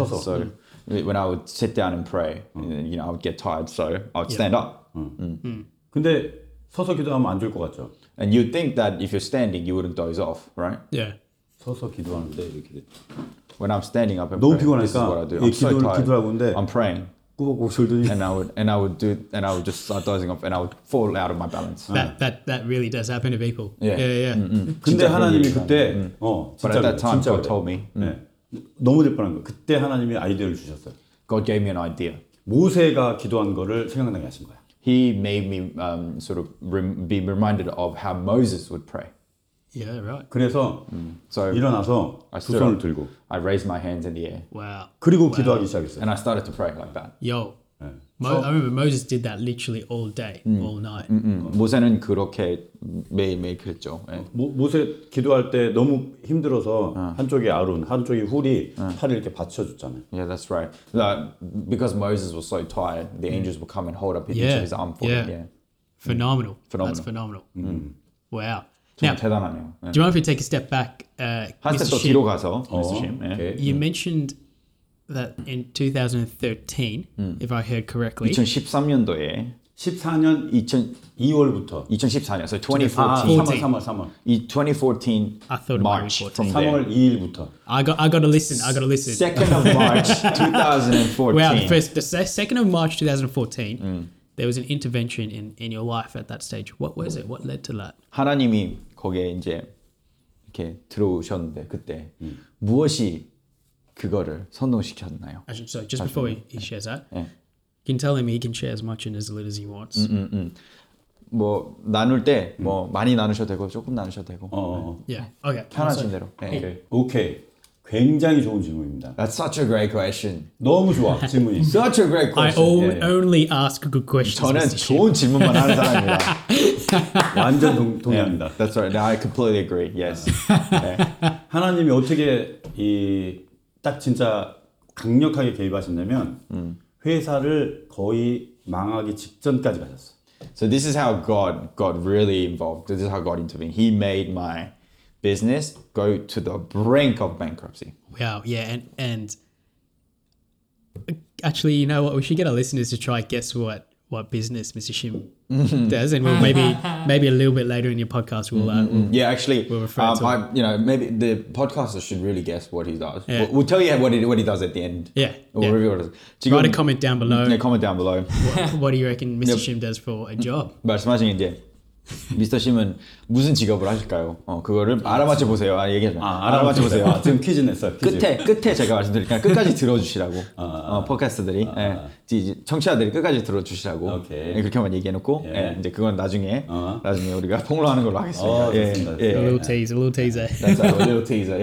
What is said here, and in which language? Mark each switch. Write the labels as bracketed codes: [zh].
[en] So when I would sit down and pray, you know, I would get tired, so I would stand up. [ko] 근데 서서 기도하면 안 졸 것 같죠? [en] And you'd think that if you're standing, you wouldn't doze off, right? Yeah. [ko] 서서 기도하는데 이렇게 [en] When I'm standing up and praying, this is what I do. I'm so tired. [ko] 기도하고 근데 [en] I'm praying. [ko] 꾸벅꾸벅 졸더니 [en] And I would just start dozing off and I would fall out of my balance. That really does happen to people. Yeah. [ko] 근데 하나님이 그때 [en] But at that time, God told me. [ko] 너무 대단한 거. 그때 하나님이 아이디어를 주셨어요. [en] God gave me an idea. [ko] 모세가 기도한 거를 생각나게 하신 거야. [en] He made me sort of be reminded of how Moses would pray. Yeah, right. [ko] 그래서 so 일어나서 두 손을 들고 [en] I raised my hands in the air. Wow. [ko] 그리고 [en] wow. [ko] 기도하기 시작했어요. [en] And I started to pray like that. Yo. I remember Moses did that literally all day, all night. [ko] 모세는 그렇게 매일 그랬죠. 모세 기도할 때 너무 힘들어서 한쪽이 아론, 한쪽이 훌이 팔을 이렇게 받쳐줬잖아요. [en] Yeah, that's right. That, because Moses was so tired, the angels would come and hold up each of his arm for him. Yeah. Phenomenal. That's phenomenal. Wow. [ko] Now, 대단하네요. [en] Do you mind if we take a step back, Mr. [ko] Shim? 한 step 더 뒤로 가서, Mr. [en] Shim. You mentioned that in 2013, if I heard correctly. [ko] 2013년도에. 14년 2월부터. 2014년, so 2014. 3월. 이 2014 [en] I thought March. 2014. [ko] 3월 2일부터. [en] I gotta listen. 2nd of March 2014. Well, the 2nd of March 2014. There was an intervention in your life at that stage. What was it? What led to that? [ko] 하나님이 거기에 이제 이렇게 들어오셨는데 그때 무엇이 그거를 선동시켰나요? [en] Actually, so just before he shares that, you can tell him he can share as much and as little as he wants. [ko] 뭐 나눌 때 뭐 많이 나누셔도 되고 조금 나누셔도 되고. [en] Yeah. Okay. [ko] 편하신 대로. 오케이. 굉장히 좋은 질문입니다. [en] That's such a great question. [ko] 너무 좋아 질문이. [en] Such a great question. I only ask good questions. [ko] 저는 좋은 질문만 하는 사람입니다. 완전 동의합니다. [en] Yeah, that's right. I completely agree. Yes. 네. [ko] 하나님이 어떻게 이 딱 진짜 강력하게 개입하셨냐면 회사를 거의 망하기 직전까지 가셨어. [en] So this is how God got really involved. This is how God intervened. He made my business go to the brink of bankruptcy. Wow, yeah, and actually, you know what? We should get our listeners to try guess what business Mr. Shim does, and we'll maybe a little bit later in your podcast we'll refer to it. You know, maybe the podcasters should really guess what he does. Yeah. We'll tell you what he does at the end. Yeah, we'll yeah. review what it is. So write a comment down below. Yeah, comment down below. What do you reckon Mr. Shim does for a job? [ko] 말씀하신 게 미스터 심은 무슨 직업을 하실까요? 그거를 알아맞혀 보세요. 아, 얘기하지 마. 알아맞혀 보세요. 아, 지금 퀴즈 냈어. 퀴즈. 끝에 제가 말씀드릴까요? 끝까지 들어주시라고. 팟캐스트들이. 청취자들이 끝까지 들어주시라고. 오케이. 그렇게만 얘기해놓고. 예. 예. 이제 그건 나중에 우리가 폭로하는 걸로 하겠습니다. 좋습니다. 예. [en] A little teaser, a little teaser. That's right, a little teaser.